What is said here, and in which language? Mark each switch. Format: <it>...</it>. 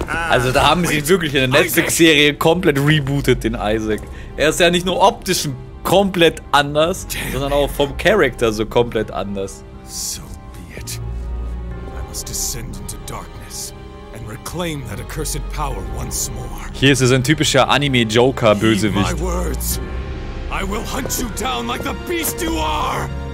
<de>Also da haben sie wirklich in der Netflix-Serie komplett rebootet, den Isaac. Er ist ja nicht nur optisch komplett anders, sondern auch vom Charakter so komplett anders.</de> <en>So be it. I must descend into darkness and reclaim that accursed power once more.</en> <de>Hier ist es ein typischer Anime-Joker-Bösewicht.</de> <en>Heed my words. I will hunt you down like the beast you are.</en>